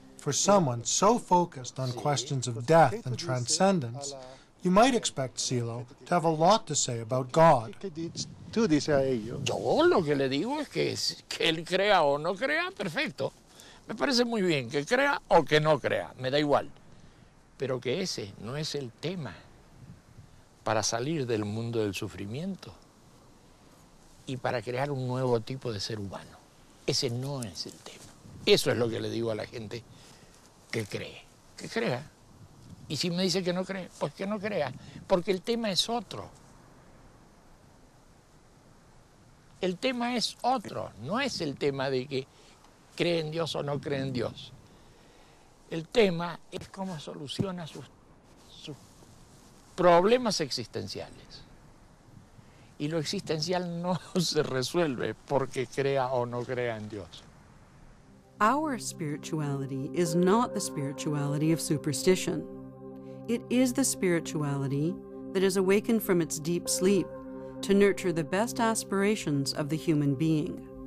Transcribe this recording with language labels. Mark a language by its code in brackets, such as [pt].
[en] For someone so focused on questions of death and transcendence, you might expect Silo to have a lot to say about God. [es] Tú dices a ellos. Yo lo que le digo es que él crea o no crea, perfecto. Me parece muy bien que crea o que no crea, me da igual. Pero que ese no es el tema para salir del mundo del sufrimiento y para crear un nuevo tipo de ser humano. Ese no es el tema. Eso es lo que le digo a la gente que cree, que crea. Y si me dice que no cree, pues que no crea, porque el tema es otro. El tema es otro, no es el tema de que cree en Dios o no cree en Dios. El tema es cómo soluciona sus problemas existenciales. Y lo existencial no se resuelve porque crea o no crea en Dios. [en] Our spirituality is not the spirituality of superstition. It is the spirituality that is awakened from its deep sleep to nurture the best aspirations of the human being.